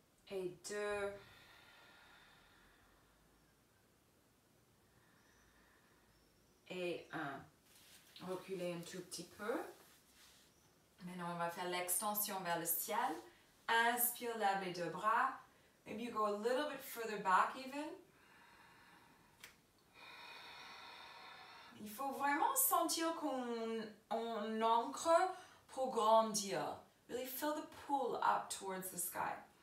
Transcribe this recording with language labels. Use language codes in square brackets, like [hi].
[fr] 2 et 1. Reculez un tout petit peu. Maintenant, on va faire l'extension vers le ciel. Inspire, lève les deux bras. [en] Maybe you go a little bit further back even. [fr] Il faut vraiment sentir qu'on ancre pour grandir. [en] Really feel the pull up towards the sky.